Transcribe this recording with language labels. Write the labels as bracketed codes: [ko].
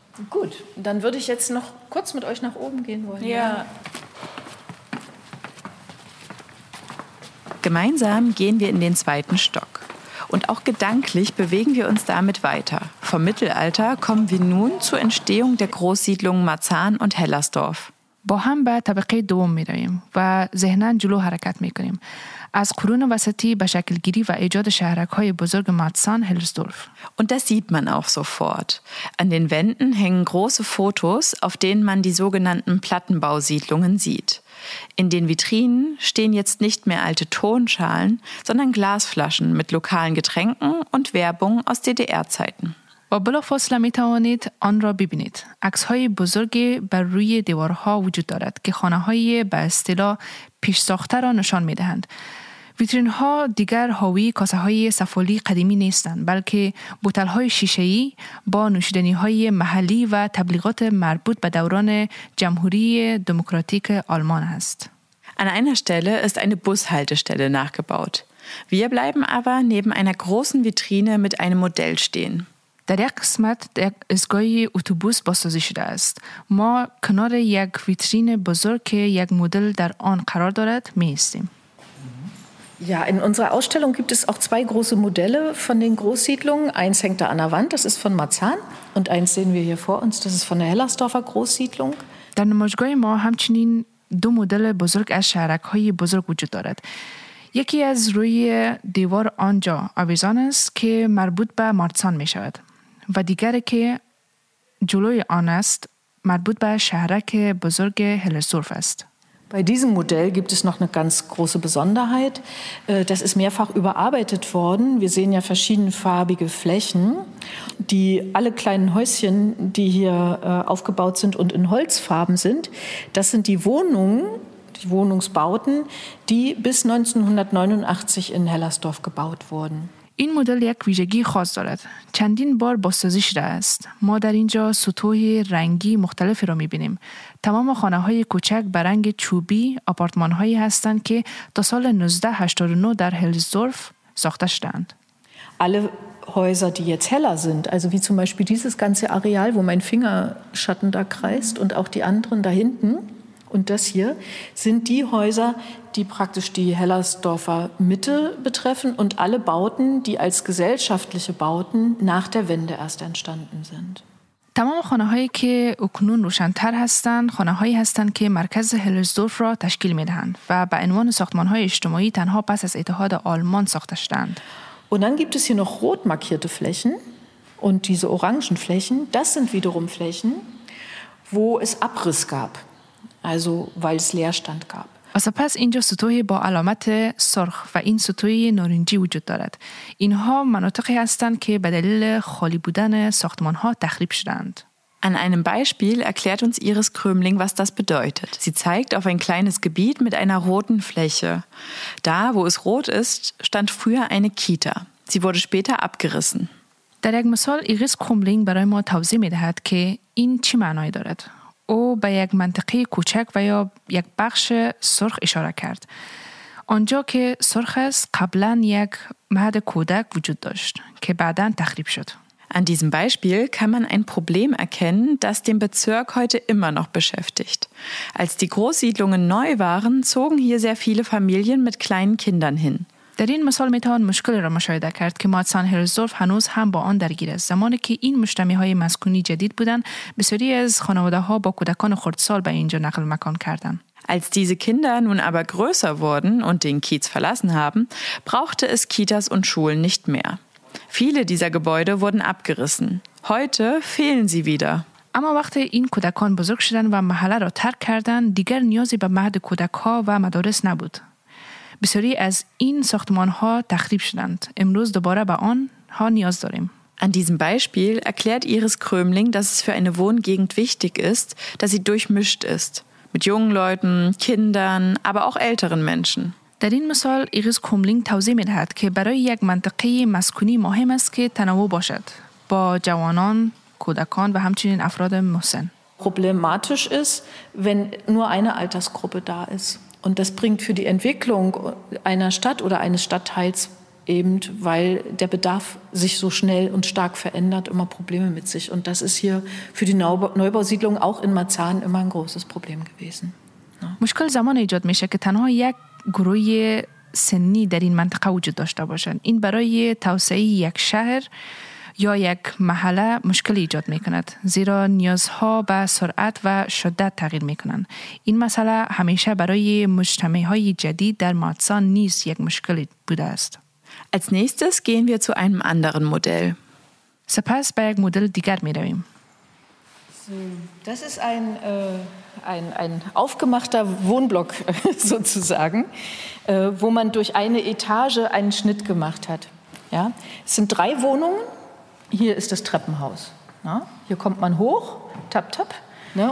[de] Gut, dann würde ich jetzt noch kurz mit euch nach oben gehen wollen. Ja. Gemeinsam gehen wir in den zweiten Stock. Und auch gedanklich bewegen wir uns damit weiter. Vom Mittelalter kommen wir nun zur Entstehung der Großsiedlungen Marzahn und Hellersdorf. [fa] با هم به طبقه دوم می رویم و ذهنن جلو حرکت می کنیم. از قرون وسطی به شکل گیری و ایجاد شهرک های بزرگ ماتسان هلسدورف. [de] Und das sieht man auch sofort. An den Wänden hängen große Fotos, auf denen man die sogenannten Plattenbausiedlungen sieht. In den Vitrinen stehen jetzt nicht mehr alte Tonschalen, sondern Glasflaschen mit lokalen Getränken und Werbung aus DDR-Zeiten. [fa] و بلافاصله می توانید آن را ببینید. عکس های بزرگی بر روی دیوارها وجود دارد که خانه های به اصطلاح پیش ساخته را نشان می دهند. ویترین ها دیگر حاوی کاسه های سفالی قدیمی نیستند بلکه بوتل های شیشه ای با نوشیدنی های محلی و تبلیغات مربوط به دوران جمهوری دموکراتیک آلمان است. [de] An einer Stelle ist eine Bushaltestelle nachgebaut. Wir bleiben aber neben einer großen Vitrine mit einem Modell stehen. [fa] در یک قسمت در ازگاه اوتوبوس بازسازی شده است. ما کنار یک ویترین بزرگ که یک مدل در آن قرار دارد می ایستیم. [de] Ja, in unserer Ausstellung gibt es auch zwei große Modelle von den Großsiedlungen. Eins hängt da an der Wand, das ist von Marzahn. Und eins sehen wir hier vor uns, das ist von der Hellersdorfer Großsiedlung. [fa] در نمایشگاه ما همچنین دو مدل بزرگ از شهرک های بزرگ وجود دارد. یکی از روی دیوار آنجا آویزان است که مربوط به مارتسان می شود و دیگر که جلوی آن است مربوط به شهرک بزرگ هلسورف است. [de] Bei diesem Modell gibt es noch eine ganz große Besonderheit. Das ist mehrfach überarbeitet worden. Wir sehen ja verschiedenfarbige Flächen, die alle kleinen Häuschen, die hier aufgebaut sind und in Holzfarben sind. Das sind die Wohnungen, die Wohnungsbauten, die bis 1989 in Hellersdorf gebaut wurden. [fa] این مدل یک ویژگی خاص دارد. چندین بار بازسازی شده است. ما در اینجا سطوح رنگی مختلف را می‌بینیم. تمام خانه‌های کوچک به رنگ چوبی آپارتمان‌هایی هستند که تا سال 1989 در هلزدورف ساخته شدند. [de] Alle Häuser, die jetzt heller sind, also wie zum Beispiel dieses ganze Areal, wo mein Finger Schatten da kreist und auch die anderen da hinten und das hier, sind die Häuser, die praktisch die Hellersdorfer Mitte betreffen und alle Bauten, die als gesellschaftliche Bauten nach der Wende erst entstanden sind. [fa] تمام خانه‌هایی که اکنون روشن‌تر هستند، خانه‌هایی هستند که مرکز هلسدورف را تشکیل می‌دهند و به عنوان ساختمان‌های اجتماعی تنها پس از اتحاد آلمان ساخته شدند. [de] Und dann gibt es hier noch rot markierte Flächen und diese orangen Flächen, das sind wiederum Flächen, wo es Abriss gab. Also, weil es Leerstand gab. [fa] و سپس اینجا سطوحی با علامت سرخ و این سطوحی نارنجی وجود دارد. اینها مناطقی هستند که به دلیل خالی بودن ساختمان ها تخریب شدند. [de] An einem Beispiel erklärt uns Iris Krömling, was das bedeutet. Sie zeigt auf ein kleines Gebiet mit einer roten Fläche. Da, wo es rot ist, stand früher eine Kita. Sie wurde später abgerissen. [fa] در یک مثال ایریس کرومبلینگ برای ما توضیح می دهد که این چی معنی دارد؟ او به یک منطقه کوچک و یا یک بخش سرخ اشاره کرد. آنجا که سرخ است قبلا یک مهد کودک وجود داشت که بعدا تخریب شد. [de] An diesem Beispiel kann man ein Problem erkennen, das den Bezirk heute immer noch beschäftigt. Als die Großsiedlungen neu waren, zogen hier sehr viele Familien mit kleinen Kindern hin. [fa] در این مثال میتوان مشکلی را مشاهده کرد که مارتسان هلسدورف هنوز هم با آن درگیر است. زمانی که این مجتمع های مسکونی جدید بودند، بسیاری از خانواده ها با کودکان خردسال به اینجا نقل مکان کردند. [de] Als diese Kinder nun aber größer wurden und den Kiez verlassen haben, brauchte es Kitas und Schulen nicht mehr. Viele dieser Gebäude wurden abgerissen. Heute fehlen sie wieder. [fa] اما وقتی این کودکان بزرگ شدند و محله را ترک کردند، دیگر نیازی به مهد کودک ها و مدارس نبود. بسیاری از این ساختمان ها تخریب شدند. امروز دوباره به آنها نیاز داریم. [de] An diesem Beispiel erklärt Iris Krömling, dass es für eine Wohngegend wichtig ist, dass sie durchmischt ist. Mit jungen Leuten, Kindern, aber auch älteren Menschen. [fa] در این مثال ایریس کرومبلینگ توضیح می دهد که برای یک منطقه مسکونی مهم است که تنوع باشد با جوانان، کودکان و همچنین افراد مسن. [de] Problematisch ist, wenn nur eine Altersgruppe da ist. Und das bringt für die Entwicklung einer Stadt oder eines Stadtteils eben, weil der Bedarf sich so schnell und stark verändert, immer Probleme mit sich. Und das ist hier für die Neubausiedlung auch in Marzahn immer ein großes Problem gewesen. [fa] مشکل زمان ایجاد میشه که تنها یک گروه سنی در این منطقه وجود داشته باشند. این برای توسعه یک شهر یا یک محله مشکل ایجاد میکند. زیرا نیازها به سرعت و شدت تغییر میکنند. این مسئله همیشه برای مجتمعهای جدید در مارتسان نیز یک مشکل بوده است. [de] Als nächstes gehen wir zu einem anderen Modell. [fa] سپس به یک مدل دیگر میرویم. [de] Das ist ein aufgemachter Wohnblock sozusagen, wo man durch eine Etage einen Schnitt gemacht hat. Ja? Es sind drei Wohnungen. Hier ist das Treppenhaus. Ja? Hier kommt man hoch, tap tap. Ne?